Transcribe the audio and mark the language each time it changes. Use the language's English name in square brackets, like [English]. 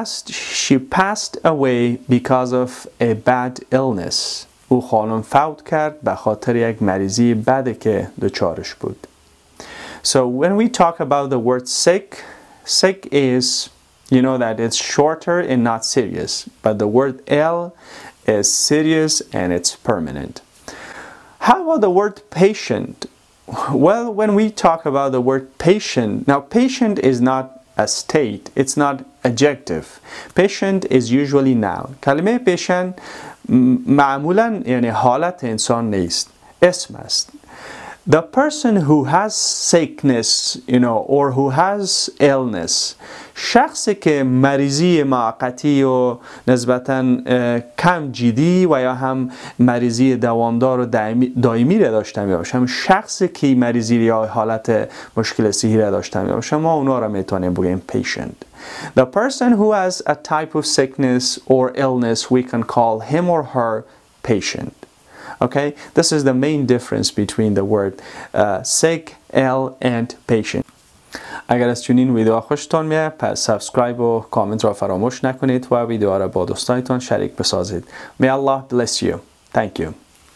[English] She passed away because of a bad illness. [Persian] او خانم فوت کرد به خاطر یک مریضی بدی که دچارش بود. [English] So when we talk about the word sick, sick is, that it's shorter and not serious. But the word ill is serious and it's permanent. How about the word patient? Well, when we talk about the word patient, now patient is not a state, it's not adjective. Patient is usually noun. [Persian] کلمه patient معمولا یعنی حالت انسان نیست. اسم است. [English] The person who has sickness, or who has illness. [Persian] شخصی که مریضی موقتی و نسبتا کم جدی و یا هم مریضی دوامدار و دائمی را داشته می باشه. شخصی که مریضی یا حالت مشکل صحی را داشته می باشه. ما اونا را می تونیم بگیم patient. [English] The person who has a type of sickness or illness, we can call him or her patient. Okay, this is the main difference between the word sick, ill, and patient. [Persian] اگر از چنین ویدیو خوشتون میاد پس سابسکرایب و کامنت را فراموش نکنید و ویدیو را با دوستانتون شریک بسازید. [English] May Allah bless you. Thank you.